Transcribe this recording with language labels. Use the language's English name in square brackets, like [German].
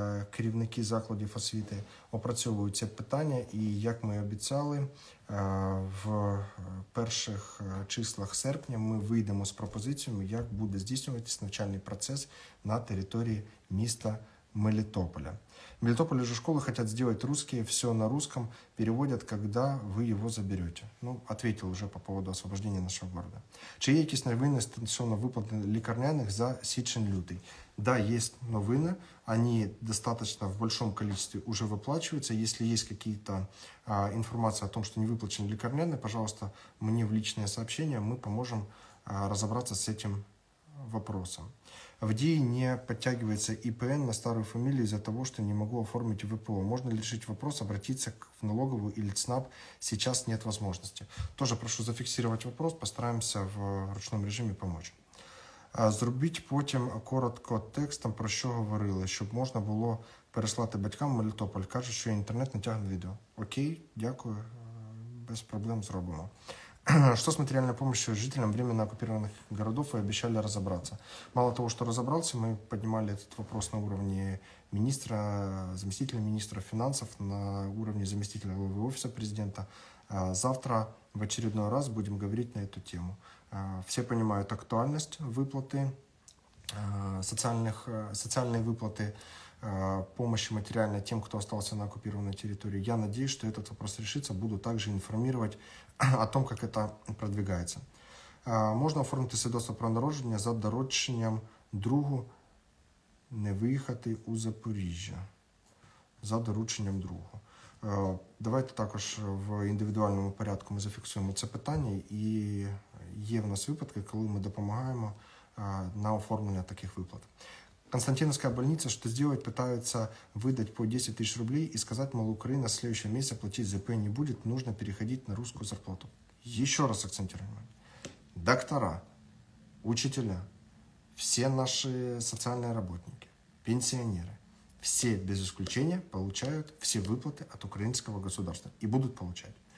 [Ukrainian] керівники закладів освіти опрацьовують це питання, і як ми обіцяли, в перших числах серпня ми вийдемо з пропозиціями, як буде здійснюватись навчальний процес на території міста Мелітополя. [Russian] В Мелітополі же школи хотят сделать русские, все на русском, переводят, когда вы его заберете. Ну, ответил уже по поводу освобождения нашего города. [Ukrainian] Чи є якісь новини стосовно виплати лікарняних за січень-лютий? [Russian] Да, есть новини, они достаточно в большом количестве уже выплачиваются. Если есть какие-то информации о том, что не выплачены лікарняні, пожалуйста, мне в личное сообщение, мы поможем разобраться с этим вопросом. В ДИИ не подтягивается ИПН на старую фамилию из-за того, что не могу оформить ВПО. Можно ли решить вопрос, обратиться в налоговую или ЦНАП? Сейчас нет возможности. Тоже прошу зафиксировать вопрос, постараемся в ручном режиме помочь. [Ukrainian] Зробіть потім коротко текстом, про що говорили, щоб можна було переслати батькам в Мелітополь. Кажуть, що інтернет не тягне відео. Окей, дякую, без проблем зробимо. [Russian] Что с материальной помощью жителям временно оккупированных городов? Вы обещали разобраться. Мало того, что разобрался, мы поднимали этот вопрос на уровне министра, заместителя министра финансов, на уровне заместителя главы офиса президента. Завтра в очередной раз будем говорить на эту тему. Все понимают актуальность выплаты, социальные выплаты, помощи материально тем, кто остался на оккупированной территории. Я надеюсь, что этот вопрос решится. Буду также информировать о том, как это продвигается. Можно оформить свидетельство [Ukrainian] про народження за дорученням другу не виїхати у Запоріжжя. За дорученням другу. Давайте також в індивідуальному порядку ми зафіксуємо це питання. І є в нас випадки, коли ми допомагаємо на оформлення таких виплат. [Russian] Константиновская больница, что сделать, пытаются выдать по 10 тысяч рублей и сказать, мол, Украина в следующем месяце платить ЗП не будет, нужно переходить на русскую зарплату. Еще раз акцентируем. Доктора, учителя, все наши социальные работники, пенсионеры, все без исключения получают все выплаты от украинского государства и будут получать.